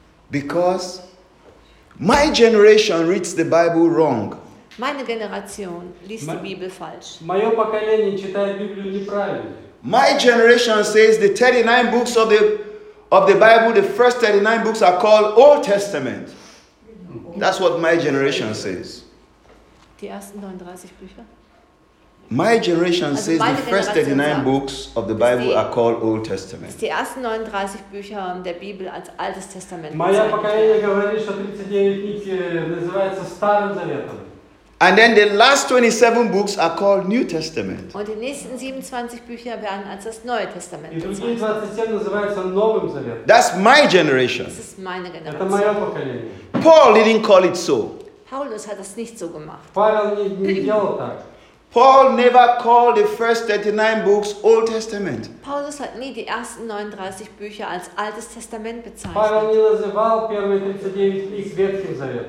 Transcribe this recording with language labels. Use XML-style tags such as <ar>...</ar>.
<en>Because my generation reads the Bible wrong.</en> <de>Meine Generation liest die Bibel falsch.</de> <ru>Моё поколение читает Библию неправильно.</ru> <en>My generation says the 39 books of the Bible, the first 39 books are called Old Testament. That's what my generation says.</en> <de>Die ersten 39 Bücher?</de> <en>My generation says the first 39 books of the Bible are called Old Testament.</en> <de>Die ersten 39 Bücher der Bibel als Altes Testament.</de> <ru>Моё поколение говорит, что 39 книг называется Старым Заветом.</ru> <en>And then the last 27 books are called New Testament.</en> <de>Und die nächsten 27 Bücher werden als das Neue Testament bezeichnet.</de> <ru>Die 27 называются Новым Заветом.</ru> <en>That's my generation.</en> <de>Das ist meine Generation.</de> <ru>Это моё поколение.</ru> <en>Paul didn't call it so.</en> <de>Paulus hat das nicht so gemacht.</de> <ru>Павел не делал так.</ru> <en>Paul never called the first 39 books Old Testament.</en> <de>Paulus hat nie die ersten 39 Bücher als Altes Testament bezeichnet.</de> <ru>Павел не называл первые 39 книг Ветхим Заветом.</ru>